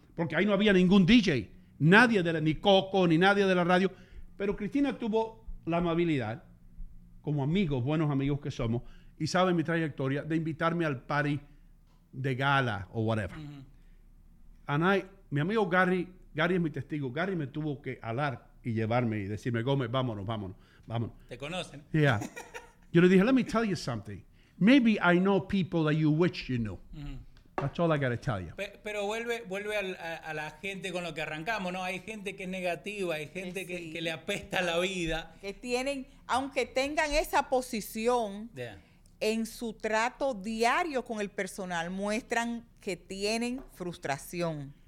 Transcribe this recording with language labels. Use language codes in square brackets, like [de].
[es] Porque ahí no había ningún DJ, nadie de la, ni Coco ni nadie de la radio, pero Cristina tuvo la amabilidad, como amigos, buenos amigos que somos, y sabe mi trayectoria, de invitarme al party de gala o whatever. Mi amigo Gary es mi testigo. Gary me tuvo que alar y llevarme y decirme, Gómez, vámonos. Te conocen. [en] Yeah. [es] Yo le dije, [en] let me tell you something. Maybe I know people that you wish you knew. That's all I gotta tell you. [es] Pero vuelve a la gente con lo que arrancamos, ¿no? Hay gente que es negativa, hay gente que le apesta la vida. Que tienen, aunque tengan esa posición, en su trato diario con el personal, muestran que tienen frustración.